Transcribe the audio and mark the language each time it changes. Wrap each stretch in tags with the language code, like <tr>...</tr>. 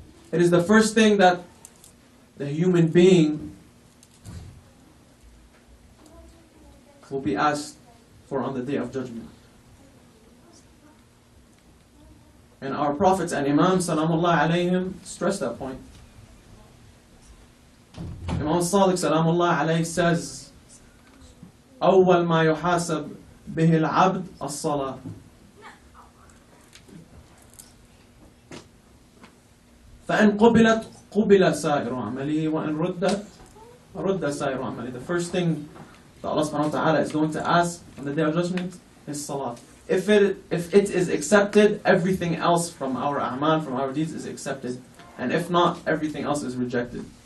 <en>It is the first thing that the human being will be asked for on the Day of Judgment. And our prophets and imams, salamullah alayhim, stress that point. Imam Sadiq, salamullah alayhi, says,</en> <ar>أول ما يحاسب به العبد الصلاة. فإن قبلت قبل سائر عمله وإن ردت رد سائر عمله.</ar> <en>The first thing that Allah subhanahu wa ta'ala is going to ask on the Day of Judgment is salat. If it is accepted, everything else from our a'mal, from our deeds, is accepted. And if not, everything else is rejected.</en>